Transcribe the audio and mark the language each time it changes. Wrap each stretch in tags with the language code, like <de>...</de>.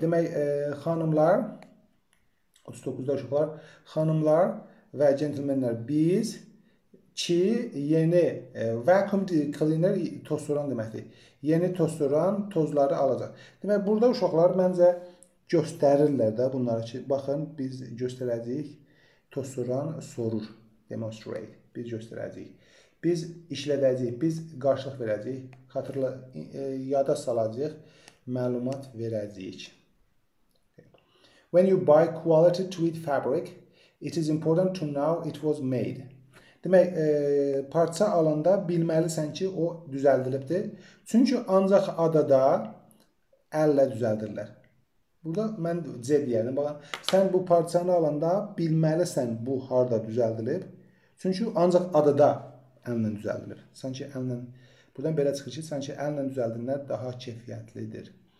<az>Demek hanımlar, 39'da uşaqlar, hanımlar ve gentlemanlar biz ki yeni vacuum cleaner tozduran demektir. Yeni tozduran tozları alacak. Demek burada uşaqlar məncə göstərirlər də bunları ki, baxın, biz göstərəcəyik, tosturan sorur, demonstrate, biz göstərəcəyik. Biz işlədəcəyik, biz qarşılıq verəcəyik, xatırla, yada salacaq, məlumat verəcəyik.</az> <en>When you buy quality tweed fabric, it is important to know it was made.</en> <az>Demək, parça alanda bilməlisən ki, o düzəldilibdir. Çünki ancaq adada əllə düzəldirlər. Burada mən C deyəlim. Baxın, sən bu parçanı alanda bilməlisən bu harda düzəldilib. Çünki ancaq adada əllə düzəldilir. Sanki əllə, buradan belə çıxır ki, sanki əllə düzəldilənlər daha keyfiyyətlidir.</az>